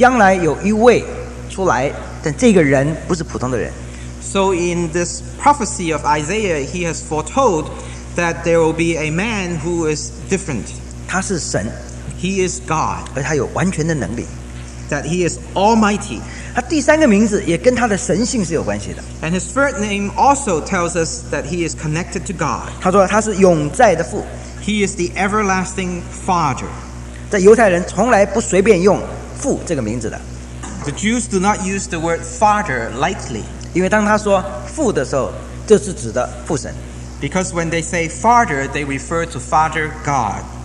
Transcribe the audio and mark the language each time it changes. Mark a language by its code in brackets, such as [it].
[zh] 就表示在这个预言的里面就预言将来有一位出来。 [en] So in this prophecy of Isaiah, he has foretold that there will be a man who is different. [zh] 他是神, [en] he is God. [zh] 而他有完全的能力, [en] that he is almighty. [zh] 他第三个名字也跟他的神性是有关系的。 [en] And his third name also tells us that he is connected to God. [zh] 他说他是永在的父。 [en] He is the everlasting Father. [zh] 在犹太人从来不随便用父这个名字的。 [en] The Jews do not use the word father lightly. [zh] 因为当他说父的时候，就是指的父神。 [en] Because when they say father, they refer to Father God.